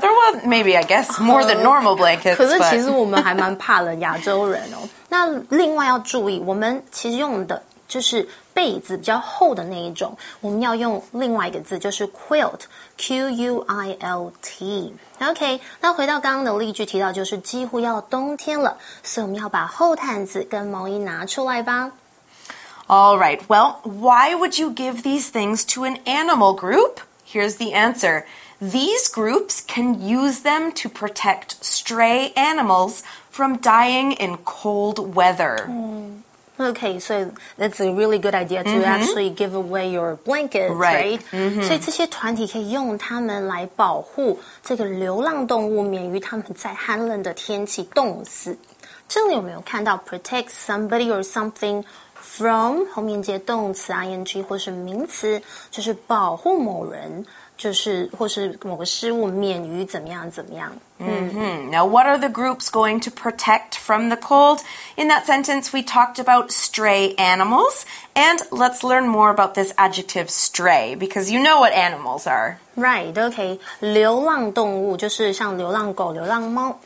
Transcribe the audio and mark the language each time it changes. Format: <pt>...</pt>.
<en>They're well, maybe, I guess, more than normal blankets.</en> <zh>可是其实我们还蛮怕冷亚洲人哦。那另外要注意，我们其实用的就是被子比较厚的那一种。我们要用另外一个字，就是 quilt. Q-U-I-L-T. Okay, 那回到刚刚的例句提到就是几乎要冬天了，所以我们要把厚毯子跟毛衣拿出来吧。</zh> <en>All right, well, why would you give these things to an animal group? Here's the answer. These groups can use them to protect stray animals from dying in cold weather. Okay, so that's a really good idea to actually give away your blankets, right?</en> <zh>So 这些团体可以用它们来保护这个流浪动物免于它们在寒冷的天气冻死。这里有没有看到</zh> <en>protect somebody or something?</en> <zh>From 后面接动词 ing 或是名词，就是保护某人。就是或是某个事物免于怎么样怎么样。 Mm-hmm.</zh> <en>Now, what are the groups going to protect from the cold? In that sentence, we talked about stray animals. And let's learn more about this adjective stray, because you know what animals are. Right, okay.</en> <zh>流浪动物就是像流浪狗、流浪猫。</zh>